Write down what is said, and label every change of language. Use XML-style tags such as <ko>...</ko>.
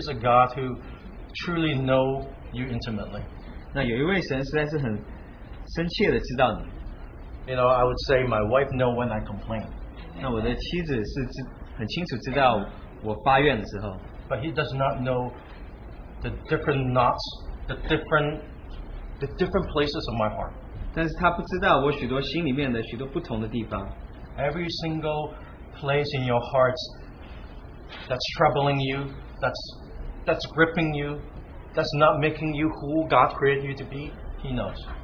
<en>is a God who truly knows you intimately.</en> <zh>那有一位神实在是很深切的知道你。</zh> <en>You know, I would say my wife knows when I complain.</en> <zh>那我的妻子是很清楚知道我发愿的时候。</zh> <en>But he does not know the different places of my heart.</en> <zh>但是他不知道我许多心里面的许多不同的地方。</zh> <en>Every single place in your heart that's troubling you, that's gripping you, that's not making you who God created you to be, he knows.</en>